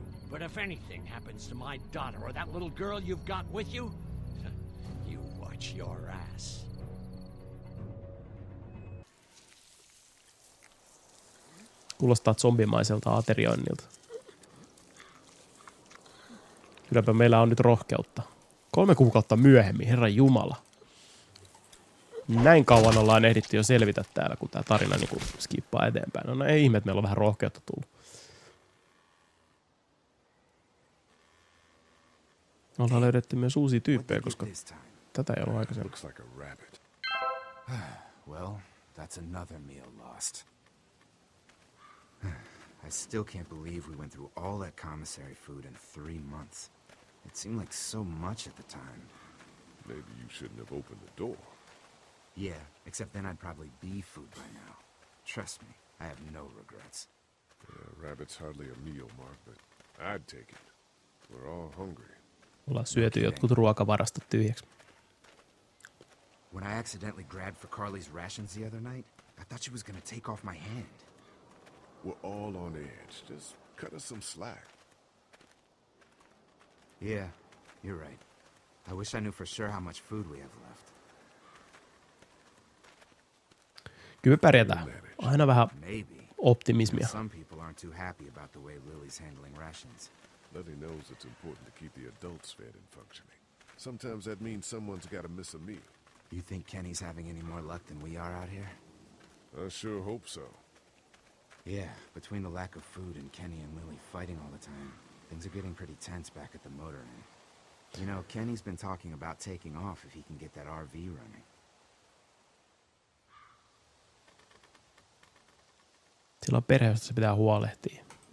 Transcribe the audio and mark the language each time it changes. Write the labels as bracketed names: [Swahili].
[English] But if anything happens to my daughter or that little girl you've got with you, you watch your ass. [Finnish] Kuulostaa zombimaiselta aterioinnilta. Kylläpä meillä on nyt rohkeutta. 3 kuukautta myöhemmin, herra jumala. Näin kauan ollaan ehditty jo selvitä täällä, kun tää tarina niinku skippaa eteenpäin. No ei ihme, että meillä on vähän rohkeutta tullut. Me ollaan löydetty myös uusia tyyppejä, koska tätä ei ollut aikaisemmin. [English] Well, that's another meal lost. I still can't believe we went through all that commissary food in 3 months. It seemed like so much at the time. Maybe you shouldn't have opened the door. Yeah, except then I'd probably be food by now. Trust me, I have no regrets. Yeah, rabbit's hardly a meal, Mark, but I'd take it. We're all hungry. [Finnish] Ollaan syöty jotkut ruokavarastot tyhjäksi. [English] When I accidentally grabbed for Carly's rations the other night, I thought she was gonna take off my hand. We're all on edge. Just cut us some slack. Yeah, you're right. I wish I knew for sure how much food we have left. [Finnish] Kyllä me pärjätään. Aina vähän optimismia. [English] Some people aren't too happy about the way Lily's handling rations. Lily knows it's important to keep the adults fed and functioning. Sometimes that means someone's got to miss a meal. You think Kenny's having any more luck than we are out here? I sure hope so. Yeah, between the lack of food and Kenny and Lily fighting all the time, things are getting pretty tense back at the motor inn. You know, Kenny's been talking about taking off if he can get that RV running. [Finnish] Sillä on perhe, josta se pitää huolehtia.